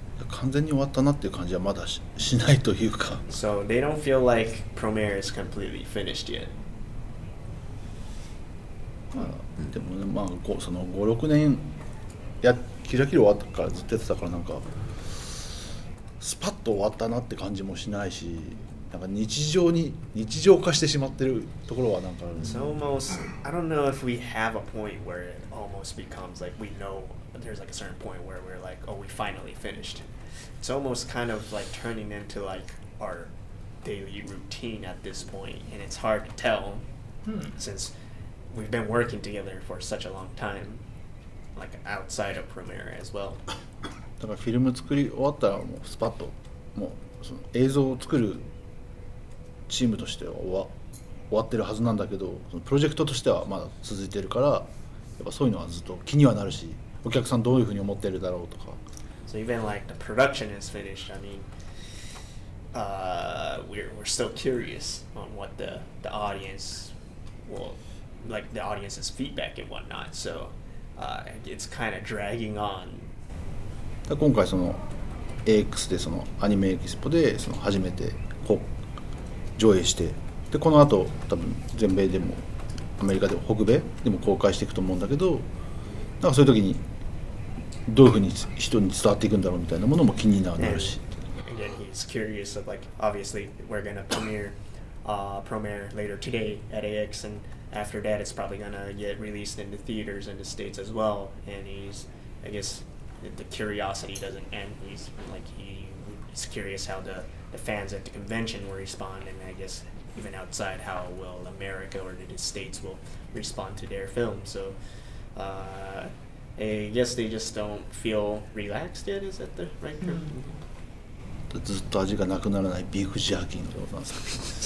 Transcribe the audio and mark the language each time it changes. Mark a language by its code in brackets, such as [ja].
[ja] 完全に終わったなっていう感じはまだ しないというか。 [en] So they don't feel like Premiere is completely finished yet. [ja] まあ、でもね、まあ、その5、6年やキラキラ終わったからずっとやってたから、なんかスパッと終わったなって感じもしないし、なんか日常化してしまってるところはなんかあるん [en] で、so almost, I don't know if we have a point where it almost becomes like we know there's like a certain point where we're like, oh, we finally finished. It's almost kind of like turning into like our daily routine at this point, and it's hard to tell、since. We've been working together for such a long time, like outside of Premiere as well. [ja] だからフィルム作り終わったらもうスパッと、もうその映像を作るチームとしては終わってるはずなんだけど、そのプロジェクトとしてはまだ続いてるから、やっぱそういうのはずっと気にはなるし、お客さんどういうふうに思ってるだろうとか。 [en] So even like the production is finished, I mean,we're still curious on what the audience will. Like the audience's feedback and whatnot, so it's kind of dragging on. [ja] 今回その AX でそのアニメエキスポでその初めてこう上映して、でこの後多分全米でもアメリカでも北米でも公開していくと思うんだけど、なんかそういう時にどういうふうに人に伝わっていくんだろうみたいなものも気になるし。 [en] And then he's curious of like obviously we're gonna premiere premiere later today at AX andAfter that, it's probably gonna get released in the theaters in the States as well. And he's, I guess, the curiosity doesn't end. He's like, he's curious how the fans at the convention will respond. And I guess even outside how well America or the States will respond to their film. So I guess they just don't feel relaxed yet, is that the right term? Mm-hmm. [ja] ずっと味がなくならないビーフジャーキーのような作品